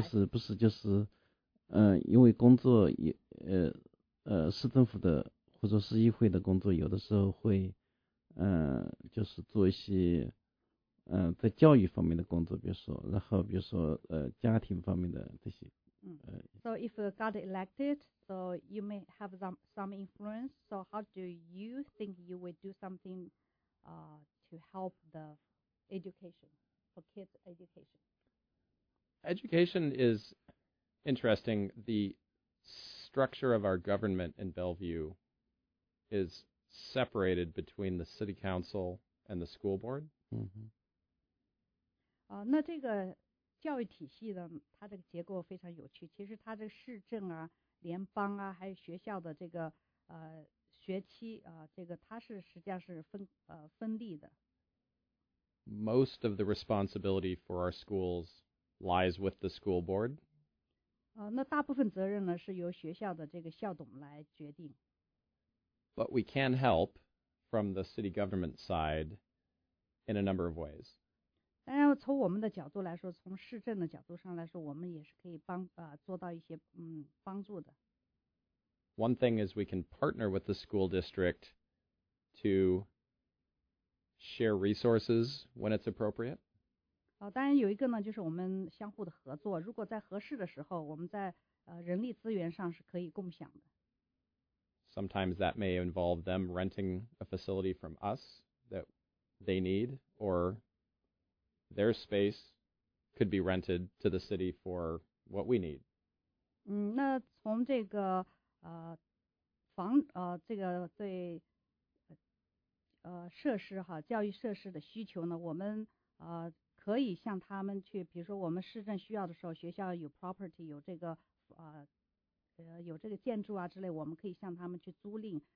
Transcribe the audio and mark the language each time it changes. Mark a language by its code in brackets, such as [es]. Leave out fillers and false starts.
[zh] 不是，因为工作也市政府的或者市议会的工作有的时候会就是做一些在教育方面的工作，比如说家庭方面的这些。 [en] So if you got elected, so you may have some influence. So how do you think you would do something to help the education, for kids' education? Education is interesting. The structure of our government in Bellevue is separated between the city council and the school board. Mm-hmm. [zh] 那这个教育体系的它这个结构非常有趣，其实它这个市政啊联邦啊还有学校的这个学期这个它是实际上是分立的。 [en] Most of the responsibility for our schools lies with the school board. [zh] 那大部分责任呢是由学校的这个校董来决定。 [en] But we can help from the city government side in a number of ways. [zh] 当然从我们的角度来说，从市政的角度上来说，我们也是可以做到一些帮助的。 [en] One thing is we can partner with the school district to share resources when it's appropriate. [zh] 当然有一个呢，就是我们相互的合作，如果在合适的时候，我们在人力资源上是可以共享的。 [en] Sometimes that may involve them renting a facility from us that they need, orTheir space could be rented to the city for what we need. [zh] 那从这个房这个对设施哈教育设施的需求呢，我们可以向他们去，比如说我们市政需要的时候，学校有 property 有这个有这个建筑啊之类，我们可以向他们去租赁。